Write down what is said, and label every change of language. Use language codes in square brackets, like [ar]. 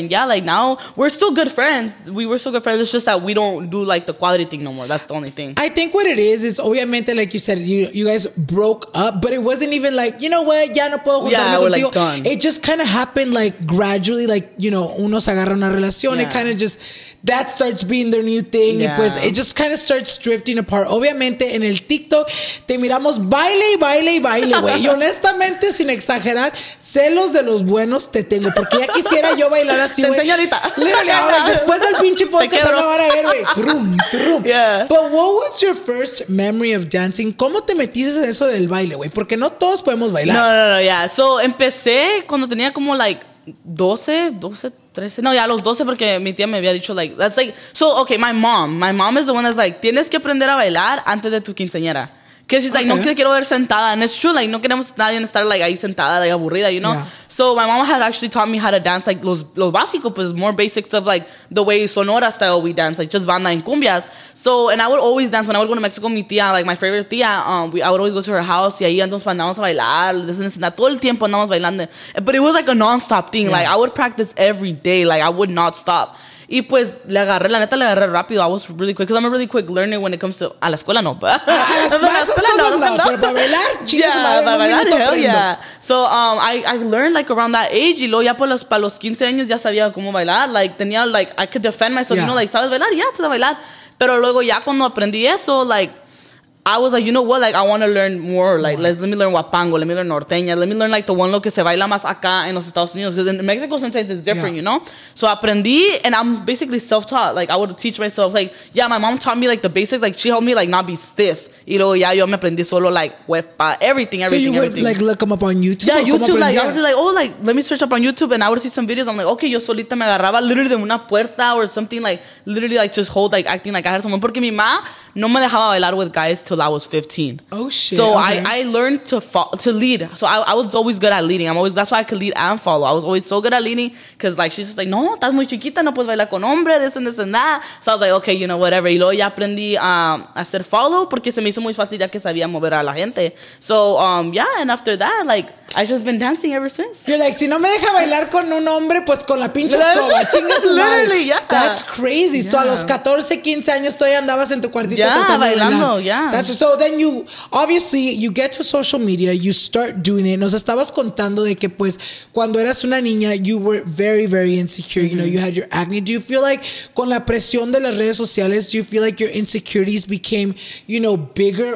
[en] And yeah, like, now we're still good friends. We were still good friends. It's just that we don't do, like, the quality thing no more. That's the only thing. I think what it is obviamente, like you said, you guys broke up, but it wasn't even like, you know what, [es] ya no puedo juntarme contigo. [en] We're like done. It just kind of happened, like, gradually, like, you know, [es] uno se agarra una relación. [en] Yeah. It kind of just, that starts being their new thing. Yeah. Pues it just kind of starts drifting apart. [es] Obviamente, en el TikTok, te miramos baile y baile y baile, güey. Y honestamente, sin exagerar, celos de los buenos te tengo. Porque ya quisiera yo bailar así, güey. Te enseño ahorita. Literally, ahora, después del pinche podcast, ahora van a ver, güey. Trum, trum. [en] Yeah. But what was your first memory of dancing? [es] ¿Cómo te metiste en eso del baile, güey? Porque no todos podemos bailar. No, yeah. So, empecé cuando tenía como, like, 12, 13. No, yeah, los 12 porque mi tía me había dicho, like, [en] that's like, so, okay, my mom is the one that's like, [es] tienes que aprender a bailar antes de tu quinceañera. [en] Because she's like, [es] no te quiero ver sentada. [en] And it's true, [es] like, no queremos nadie estar, like, ahí sentada, like, aburrida, you know? Yeah. [en] So my mom had actually taught me how to dance, like, [es] los básicos, pues, [en] more basics of, like, the way Sonora style we dance, like, just banda and cumbias. So, and I would always dance. When I would go to Mexico, [es] mi tía, [en] like, my favorite tía, I would always go to her house, [es] y ahí andamos a bailar, [en] this and that, [es] todo el tiempo andamos bailando. [en] But it was, like, a non-stop thing. Yeah. Like, I would practice every day. Like, I would not stop. [es] Y pues, le agarré, la neta, le agarré rápido. [en] I was really quick, because I'm a really quick learner when it comes to, [es] a la escuela no, [en] but. [es] A la escuela no, pero para bailar, chicas, para bailar, [en] hell yeah. So, I learned, like, around that age, [es] y luego ya para los 15 años ya sabía cómo bailar. [en] Like, tenía, like, I could defend myself, you know, like, [es] ¿sabes bailar? Ya, puedo bailar. Pero luego ya cuando aprendí eso, [en] like, I was like, you know what, like, I want to learn more, like, let me learn huapango, let me learn norteña, let me learn, like, the one [es] lo que se baila más acá en los Estados Unidos, [en] because in Mexico sometimes it's different, you know? So aprendí, and I'm basically self-taught, like, I would teach myself, like, yeah, my mom taught me, like, the basics, like, she helped me, like, not be stiff. [es] Y luego ya yo me aprendí solo, like, huepa, everything. [en] So you would, like, look them up on YouTube? Yeah, YouTube, like, I would be like, oh, like, let me search up on YouTube, and I would see some videos. I'm like, okay, [es] yo solita me agarraba [en] literally [es] de una puerta [en] or something, like, literally, like, just hold, like, acting like I had someone. [es] Porque mi ma no me dejaba bailar [en] with guys till I was 15. Oh, shit. So okay. I learned to lead. So I was always good at leading. That's why I could lead and follow. I was always so good at leading because, like, she's just like, [es] no, estás muy chiquita, no puedes bailar con hombre, [en] this and this and that. So I was like, okay, you know, whatever. [es] Y luego ya aprendí a hacer follow porque se me hizo muy fácil ya que sabía mover a la gente. [en] So, yeah, and after that, like, I've just been dancing ever since. You're like, [es] si no me deja bailar con un hombre, pues con la pinche escoba. Chingas, [en] literally, yeah. That's crazy. [es] Yeah. So a los 14, 15 años todavía andabas en tu cuartito. [en] Yeah, [es] bailando, [en] yeah. That's just, so then you, obviously, you get to social media, you start doing it. [es] Nos estabas contando de que, pues, cuando eras una niña, [en] you were very, very insecure. Mm-hmm. You know, you had your acne. Do you feel like, [es] con la presión de las redes sociales, [en] do you feel like your insecurities became, you know, bigger?